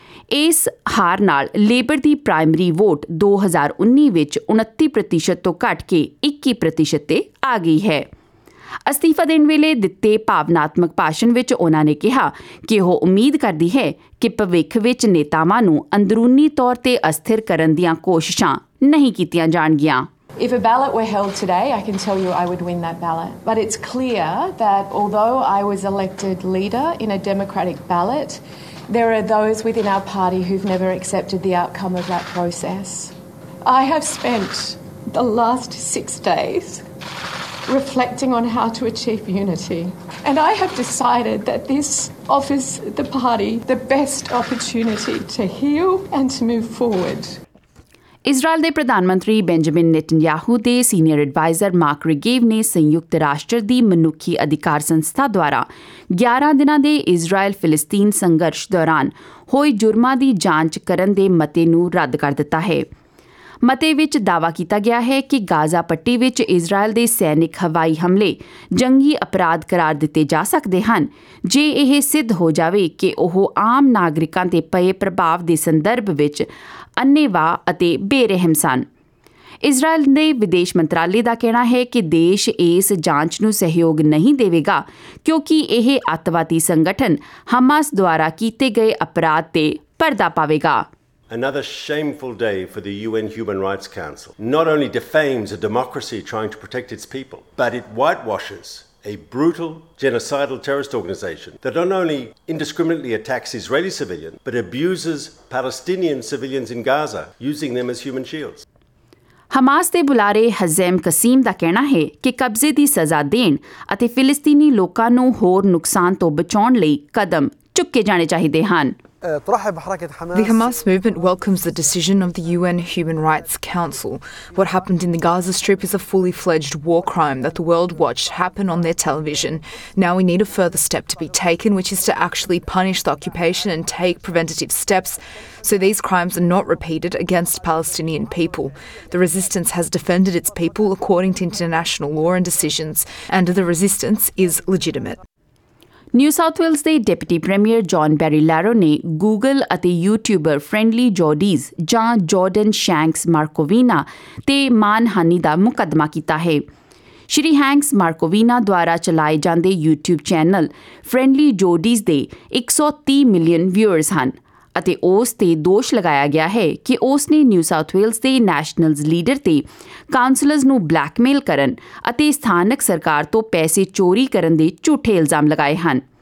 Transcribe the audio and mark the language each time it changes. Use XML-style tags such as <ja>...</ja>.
<pa>ਇਸ ਹਾਰ ਨਾਲ ਲੇਬਰ ਦੀ ਪ੍ਰਾਇਮਰੀ ਵੋਟ 2019 ਵਿੱਚ 29% ਤੋਂ ਘੱਟ ਕੇ 21% 'ਤੇ ਆ ਗਈ ਹੈ। ਅਸਤੀਫਾ ਦੇਣ ਵੇਲੇ ਦਿੱਤੇ ਭਾਵਨਾਤਮਕ ਭਾਸ਼ਣ ਵਿੱਚ ਉਹਨਾਂ ਨੇ ਕਿਹਾ ਕਿ ਉਹ ਉਮੀਦ ਕਰਦੀ ਹੈ ਕਿ ਭਵਿੱਖ ਵਿੱਚ ਨੇਤਾਵਾਂ ਨੂੰ ਅੰਦਰੂਨੀ ਤੌਰ 'ਤੇ ਅਸਥਿਰ ਕਰਨ ਦੀਆਂ ਕੋਸ਼ਿਸ਼ਾਂ ਨਹੀਂ ਕੀਤੀਆਂ ਜਾਣਗੀਆਂ।</pa> <en>If a ballot were held today, I can tell you I would win that ballot. But it's clear that although I was elected leader in a democratic ballot, there are those within our party who've never accepted the outcome of that process. I have spent the last 6 days reflecting on how to achieve unity. And I have decided that this offers the party the best opportunity to heal and to move forward.</en> <pa>Israel ਦੇ ਪ੍ਰਧਾਨ ਮੰਤਰੀ Benjamin Netanyahu ਦੇ senior advisor mark ਰਿਗੇਵ ਨੇ ਸੰਯੁਕਤ ਰਾਸ਼ਟਰ ਦੀ ਮਨੁੱਖੀ ਅਧਿਕਾਰ ਸੰਸਥਾ ਦੁਆਰਾ 11 ਦਿਨਾਂ ਦੇ ਇਜ਼ਰਾਈਲ ਫਿਲਸਤੀਨ ਸੰਘਰਸ਼ ਦੌਰਾਨ ਹੋਏ ਜੁਰਮਾਂ ਦੀ ਜਾਂਚ ਕਰਨ ਦੇ ਮਤੇ ਨੂੰ ਰੱਦ ਕਰ ਦਿੱਤਾ ਹੈ। ਮਤੇ ਵਿੱਚ ਦਾਅਵਾ ਕੀਤਾ ਗਿਆ ਹੈ ਕਿ ਗਾਜ਼ਾ ਪੱਟੀ ਵਿੱਚ ਇਜ਼ਰਾਈਲ ਦੇ ਸੈਨਿਕ ਹਵਾਈ ਹਮਲੇ ਜੰਗੀ ਅਪਰਾਧ ਕਰਾਰ ਦਿੱਤੇ ਜਾ ਸਕਦੇ ਹਨ ਜੇ ਇਹ ਸਿੱਧ ਹੋ ਜਾਵੇ ਕਿ ਉਹ ਆਮ ਨਾਗਰਿਕਾਂ 'ਤੇ ਪਏ ਪ੍ਰਭਾਵ ਦੇ ਸੰਦਰਭ ਵਿੱਚ ਅੰਨੇਵਾਹ ਅਤੇ ਬੇਰਹਿਮ ਸਨ। ਇਜ਼ਰਾਈਲ ਦੇ ਵਿਦੇਸ਼ ਮੰਤਰਾਲੇ ਦਾ ਕਹਿਣਾ ਹੈ ਕਿ ਦੇਸ਼ ਇਸ ਜਾਂਚ ਨੂੰ ਸਹਿਯੋਗ ਨਹੀਂ ਦੇਵੇਗਾ ਕਿਉਂਕਿ ਇਹ ਅੱਤਵਾਦੀ ਸੰਗਠਨ ਹਮਾਸ ਦੁਆਰਾ ਕੀਤੇ ਗਏ ਅਪਰਾਧ 'ਤੇ ਪਰਦਾ ਪਾਵੇਗਾ।</pa> <en>Another shameful day for the UN Human Rights Council. Not only defames a democracy trying to protect its people, but it whitewashes a brutal, genocidal terrorist organization that not only indiscriminately attacks Israeli civilians, but abuses Palestinian civilians in Gaza, using them as human shields.</en> <pa>Hamas ਦੇ ਬੁਲਾਰੇ ਹਜ਼ੈਮ ਕਸੀਮ ਦਾ ਕਹਿਣਾ ਹੈ ਕਿ ਕਬਜ਼ੇ ਦੀ ਸਜ਼ਾ ਦੇਣ ਅਤੇ ਫਿਲਸਤੀਨੀ ਲੋਕਾਂ ਨੂੰ ਹੋਰ ਨੁਕਸਾਨ ਤੋਂ ਬਚਾਉਣ ਲਈ ਕਦਮ ਚੁੱਕੇ ਜਾਣੇ ਚਾਹੀਦੇ ਹਨ।</pa> <en>The Hamas movement welcomes the decision of the UN Human Rights Council. What happened in the Gaza Strip is a fully fledged war crime that the world watched happen on their television. Now we need a further step to be taken, which is to actually punish the occupation and take preventative steps so these crimes are not repeated against Palestinian people. The resistance has defended its people according to international law and decisions, and the resistance is legitimate.</en> <pa>New South Wales ਦੇ deputy premier John ਬੈਰੀਲੈਰੋ ਨੇ Google ਅਤੇ YouTuber friendly ਜੋਡੀਜ਼ ਜਾਂ Jordan ਸ਼ੈਂਕਸ ਮਾਰਕੋਵੀਨਾ ਤੇ ਮਾਨਹਾਨੀ ਦਾ ਮੁਕੱਦਮਾ ਕੀਤਾ ਹੈ। ਸ਼੍ਰੀ Hanks ਮਾਰਕੋਵੀਨਾ ਦੁਆਰਾ ਚਲਾਏ ਜਾਂਦੇ ਯੂਟਿਊਬ ਚੈਨਲ ਫਰੈਂਡਲੀ ਜੋਡੀਜ਼ ਦੇ 130 ਮਿਲੀਅਨ ਵਿਊਅਰਸ ਹਨ ਅਤੇ ਉਸ ਤੇ ਦੋਸ਼ ਲਗਾਇਆ ਗਿਆ ਹੈ ਕਿ ਉਸ ਨੇ ਨਿਊ ਸਾਊਥ ਵੇਲਸ ਦੇ ਨੈਸ਼ਨਲਜ਼ ਲੀਡਰ ਤੇ ਕਾਉਂਸਲਰਸ ਨੂੰ ਬਲੈਕਮੇਲ ਕਰਨ ਅਤੇ ਸਥਾਨਕ ਸਰਕਾਰ ਤੋਂ ਪੈਸੇ ਚੋਰੀ ਕਰਨ ਦੇ ਝੂਠੇ ਇਲਜ਼ਾਮ ਲਗਾਏ ਹਨ।</pa>